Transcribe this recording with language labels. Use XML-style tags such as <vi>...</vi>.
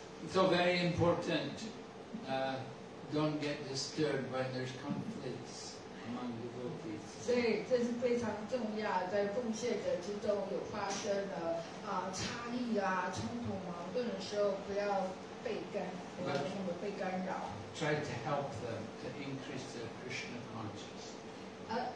<en>So very important, don't get disturbed when there's conflicts among devotees.</en> <zh>所以这是非常重要，在奉献者之中有发生的差异啊、冲突、矛盾的时候，不要被干扰。</zh> <en>Try to help them to increase their Krishna consciousness.</en>